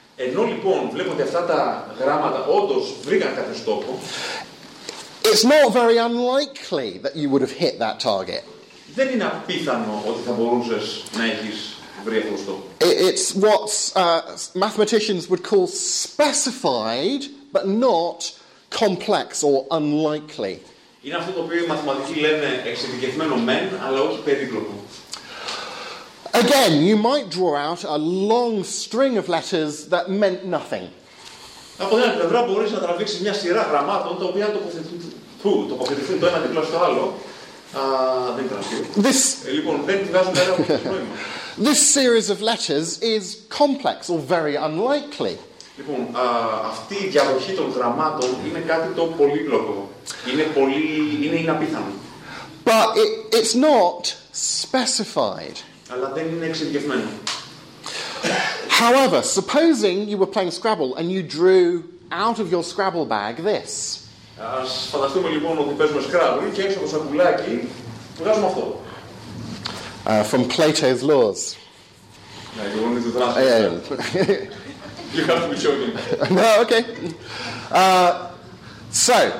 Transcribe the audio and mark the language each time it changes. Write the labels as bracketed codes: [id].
[el] ενώ λοιπόν βλέπω ότι αυτά τα γράμματα όντως βρήκαν κάποιο στόχο, [en] it's not very unlikely that you would have hit that target. [el] Δεν είναι απίθανο ότι θα μπορούσες να έχεις βρει αυτό το στόχο. [en] It's what mathematicians would call specified, but not complex or unlikely. [el] Είναι αυτό το οποίο οι μαθηματικοί λένε εξειδικευμένο μεν, αλλά όχι περίπλοκο. [en] Again, you might draw out a long string of letters that meant nothing. [el] Από την πλευρά μπορείς να τραβήξεις μια σειρά γραμμάτων τα οποία τοποθετηθούν το ένα δίπλα στο άλλο. Δεν τραβήξει. Λοιπόν, δεν βγάζουν κανένα νόημα. [en] This series of letters is complex or very unlikely. [el] Λοιπόν, αυτή η διαδοχή των γραμμάτων είναι κάτι το πολύπλοκο. Είναι απίθανο. [en] But it's not specified. [el] Αλλά δεν είναι εξειδικευμένο. [en] However, supposing you were playing Scrabble and you drew out of your Scrabble bag this. [el] Ας φανταστούμε λοιπόν ότι παίζουμε Scrabble και έξω από το σακουλάκι βγάζουμε αυτό. [en] From Plato's Laws. You have to be joking. No, okay. So.